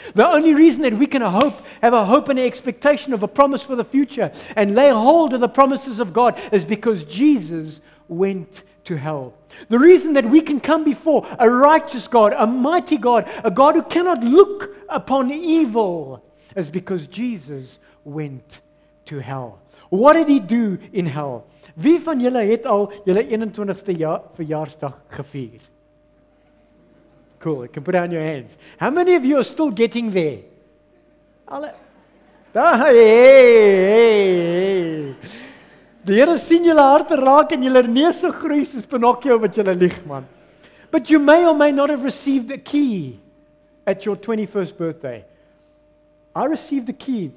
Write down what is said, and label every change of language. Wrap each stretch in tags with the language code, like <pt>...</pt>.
<en>The only reason that we can hope, have a hope and an expectation of a promise for the future and lay hold of the promises of God is because Jesus went to hell. The reason that we can come before a righteous God, a mighty God, a God who cannot look upon evil is because Jesus went to hell. What did he do in hell?</en> <af>Wie van julle het al julle 21ste jaar verjaarsdag gevier?</af> <en>Cool, you can put down your hands. How many of you are still getting there? Alle.</en> <af>Hey, hey. Die Here sien julle harte raak en julle neus so groei soos Pinocchio wat julle lieg, man.</af> <en>But you may or may not have received a key at your 21st birthday. I received a key.</en>